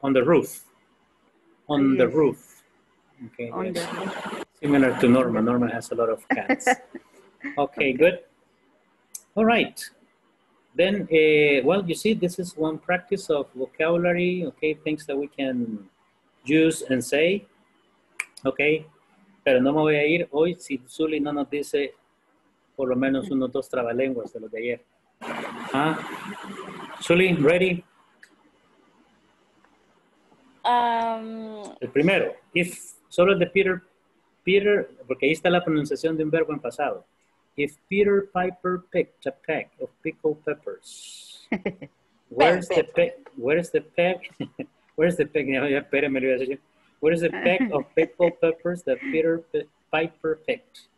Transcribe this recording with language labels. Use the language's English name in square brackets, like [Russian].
[English] On the roof. On the roof. Okay, similar to Norma. Norma has a lot of cats. Okay, good. All right. Then, you see, this is one practice of vocabulary, okay, things that we can use and say. Okay. [Spanish] Pero no me voy a ir hoy si Zuli no nos dice por lo menos unos dos trabalenguas de los de ayer. [English] Huh? Zuli, ready? [Spanish] El primero. If, solo de Peter... Peter, porque ahí está la pronunciación de un verbo en pasado. [English] If Peter Piper picked a peck of pickled peppers, where is the peck of pickled peppers that Peter Piper picked?